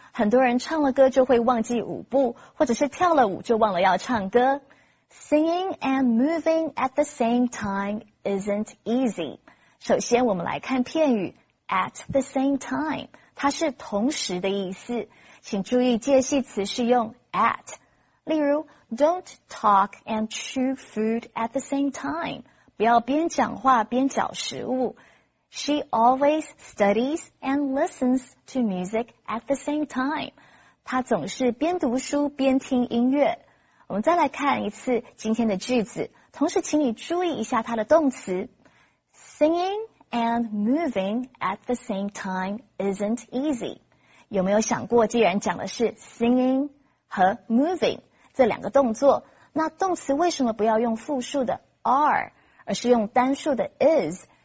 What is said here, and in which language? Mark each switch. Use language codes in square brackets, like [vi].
[zh] 很多人唱了歌就会忘记舞步，或者是跳了舞就忘了要唱歌。 [en] Singing and moving at the same time isn't easy. [zh] 首先我们来看片语 [en] at the same time. [zh] 它是同时的意思。请注意介系词是用 at. 例如 [en] don't talk and chew food at the same time. [zh] 不要边讲话边嚼食物。 [en] She always studies and listens to music at the same time. [zh] 她总是边读书边听音乐。我们再来看一次今天的句子，同时请你注意一下它的动词。 [en] Singing and moving at the same time isn't easy. [zh] 有没有想过既然讲的是 singing 和 moving 这两个动作，那动词为什么不要用复数的 are, 而是用单数的 is?